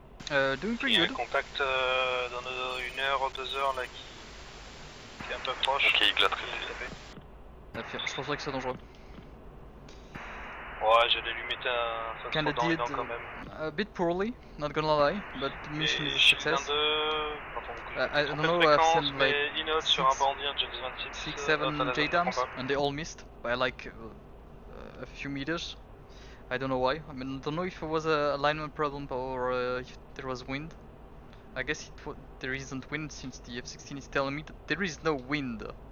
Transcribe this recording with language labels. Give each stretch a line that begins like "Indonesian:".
French: Il y a un contact dans nos 1h, 2h là qui est un peu proche. Ok, il glatte. Je pense que c'est dangereux. Ouais, j'allais lui mettre un feu trop dans les dents quand même.
English: A bit poorly, not gonna lie, but mission is a success.
French: Et Shield 1, 2, enfin, on fait fréquence, mais il note sur un bandit, un J26.
English: 6, 7 JDAMs, and they all missed by like a few meters. I don't know why. I mean, I don't know if it was an alignment problem or if there was wind. I guess there isn't wind since the F-16 is telling me that there is no wind.